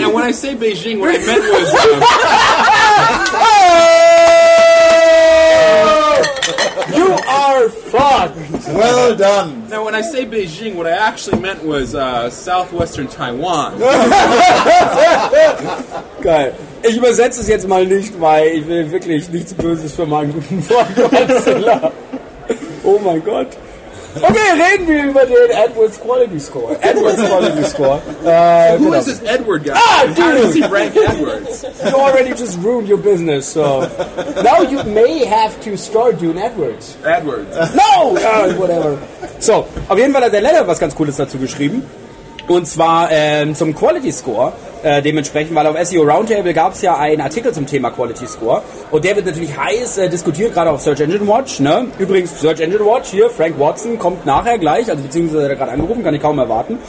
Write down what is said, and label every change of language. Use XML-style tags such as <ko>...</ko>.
<en>Yeah, when I say Beijing, what I meant was. You are fucked! Well done! Now, when I say Beijing, what I actually meant was southwestern Taiwan.</en> <de>Geil. Ich übersetze es jetzt mal nicht, weil ich will wirklich nichts Böses für meinen guten Freund. Oh mein Gott. Okay, reden wir über den Edwards Quality Score. Edwards Quality Score.</de> <en>Who is this Edward guy? Ah, dude. How does he rank Edwards? You already just ruined your business, so... Now you may have to start doing Edwards. Edwards. No! Whatever.</en> <de>So, auf jeden Fall hat der Letter was ganz Cooles dazu geschrieben. Und zwar zum Quality Score. Dementsprechend, weil auf SEO Roundtable gab es ja einen Artikel zum Thema Quality Score und der wird natürlich heiß diskutiert, gerade auf Search Engine Watch. Ne? Übrigens, Search Engine Watch hier, Frank Watson kommt nachher gleich, also beziehungsweise hat er gerade angerufen, kann ich kaum erwarten.</de>